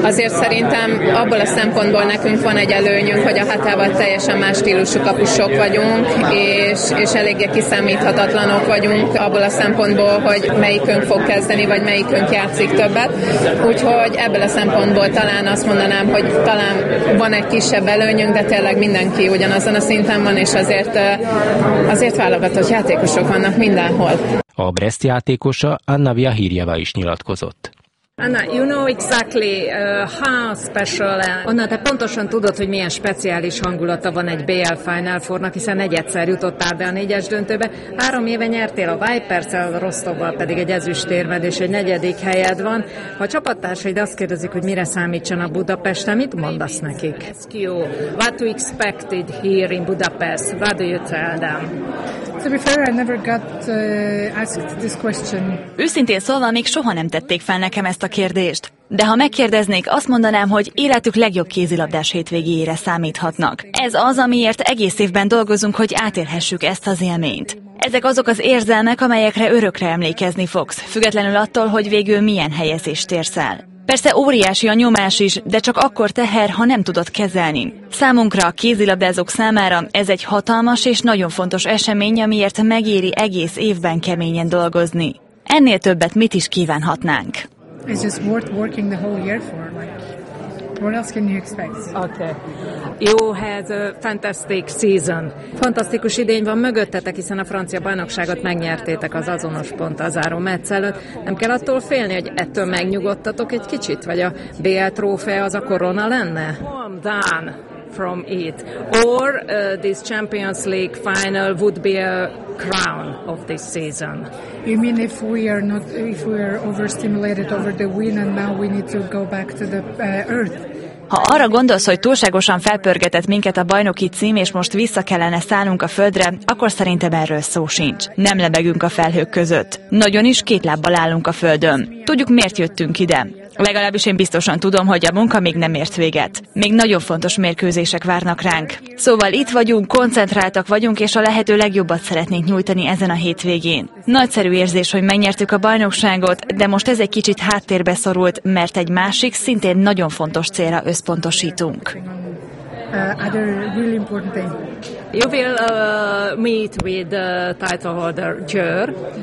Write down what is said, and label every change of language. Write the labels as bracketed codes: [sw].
[hu] Azért szerintem abból a szempontból nekünk van egy előnyünk, hogy a hatával teljesen más stílusú kapusok vagyunk, és eléggé kiszámíthatatlanok vagyunk abból a szempontból, hogy melyikünk fog kezdeni, vagy melyikünk játszik többet. Úgyhogy ebből a szempontból talán azt mondanám, hogy talán van egy kisebb előnyünk, de tényleg mindenki ugyanazon a szinten van, és azért válogatott játékosok vannak mindenhol. A Brest játékosa Anna Vjahirjeva is nyilatkozott. [en] Anna, you know exactly how special. [hu] Anna, te pontosan tudod, hogy milyen speciális hangulata van egy BL Final Four-nak, hiszen egyszer jutottál be a négyes döntőbe. 3 éve nyertél a Vipers-el, a Rostovval pedig egy ezüstérmed és egy negyedik helyed van. Ha a csapattársaid azt kérdezik, hogy mire számítson a Budapesten, mit mondasz nekik? [en] What do you expect here in Budapest? What do you tell them? To be fair, I never got asked this question. [hu] Őszintén szólva, még soha nem tették fel nekem ezt a kérdést. De ha megkérdeznék, azt mondanám, hogy életük legjobb kézilabdás hétvégére számíthatnak. Ez az, amiért egész évben dolgozunk, hogy átélhessük ezt az élményt. Ezek azok az érzelmek, amelyekre örökre emlékezni fogsz, függetlenül attól, hogy végül milyen helyezést érsz el. Persze óriási a nyomás is, de csak akkor teher, ha nem tudod kezelni. Számunkra, a kézilabdázók számára ez egy hatalmas és nagyon fontos esemény, amiért megéri egész évben keményen dolgozni. Ennél többet mit is kívánhatnánk? [en] It's just worth working the whole year for, like... What else can you expect? Okay. You had a fantastic season. [hu] Fantasztikus idény van mögöttetek, hiszen a francia bajnokságot megnyertétek az azonos pont a záró meccs előtt. Nem kell attól félni, hogy ettől megnyugodtatok egy kicsit, vagy a BL trófea az a korona lenne? [en] Calm down from it. Or this Champions League final would be a crown of this season. You mean if we are not, if we are overstimulated over the win and now we need to go back to the earth? [hu] Ha arra gondolsz, hogy túlságosan felpörgetett minket a bajnoki cím, és most vissza kellene szállnunk a földre, akkor szerintem erről szó sincs. Nem lebegünk a felhők között. Nagyon is két lábbal állunk a földön. Tudjuk, miért jöttünk ide. Legalábbis én biztosan tudom, hogy a munka még nem ért véget. Még nagyon fontos mérkőzések várnak ránk. Szóval itt vagyunk, koncentráltak vagyunk, és a lehető legjobbat szeretnénk nyújtani ezen a hétvégén. Nagyszerű érzés, hogy megnyertük a bajnokságot, de most ez egy kicsit háttérbe szorult, mert egy másik, szintén nagyon fontos célra összpontosítunk. [en] You will meet with the title holder Győr.